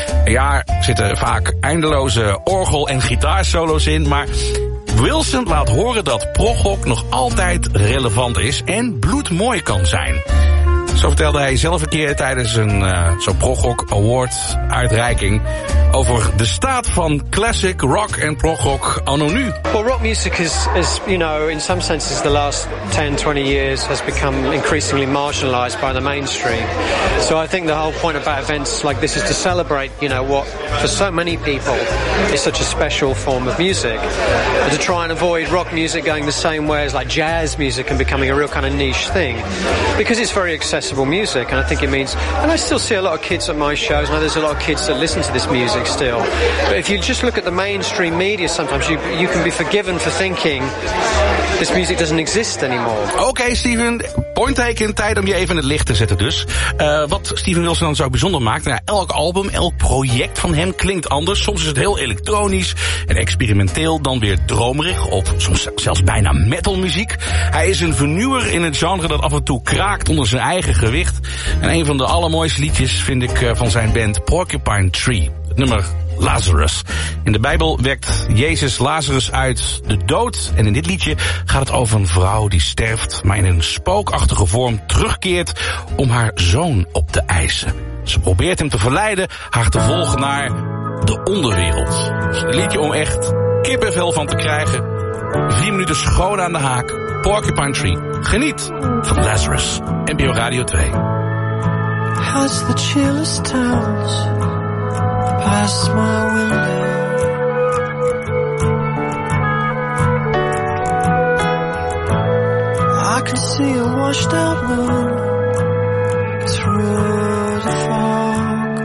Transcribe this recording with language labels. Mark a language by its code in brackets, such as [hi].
[nl] Ja, er zitten vaak eindeloze orgel- en gitaarsolo's in, maar Wilson laat horen dat progrock nog altijd relevant is en bloedmooi kan zijn. Zo vertelde hij zelf een keer tijdens een zo'n progrock award uitreiking over de staat van classic rock en progrock anno nu. [en] Well, rock music is, you know, in some senses the last 10, 20 years has become increasingly marginalized by the mainstream. So I think the whole point about events like this is to celebrate, you know, what for so many people is such a special form of music. And to try and avoid rock music going the same way as like jazz music and becoming a real kind of niche thing. Because it's very accessible music, and I think it means, and I still see a lot of kids at my shows, and there's a lot of kids that listen to this music still. But if you just look at the mainstream media, sometimes you can be forgiven for thinking this music doesn't exist anymore. Okay, Steven, point taken, [nl] tijd om je even in het licht te zetten dus. Wat Steven Wilson dan zo bijzonder maakt, nou ja, elk album, elk project van hem klinkt anders. Soms is het heel elektronisch en experimenteel, dan weer dromerig of soms zelfs bijna metal muziek. Hij is een vernieuwer in het genre dat af en toe kraakt onder zijn eigen gewicht. En een van de allermooiste liedjes vind ik van zijn band Porcupine Tree. Het nummer Lazarus. In de Bijbel wekt Jezus Lazarus uit de dood. En in dit liedje gaat het over een vrouw die sterft, maar in een spookachtige vorm terugkeert om haar zoon op te eisen. Ze probeert hem te verleiden haar te volgen naar de onderwereld. Dus een liedje om echt kippenvel van te krijgen. 4 minuten schoon aan de haak. Porcupine Tree. Geniet van Lazarus. NPO Radio 2. [en] Has the chillest towns past my window. I can see a washed out moon through the fog.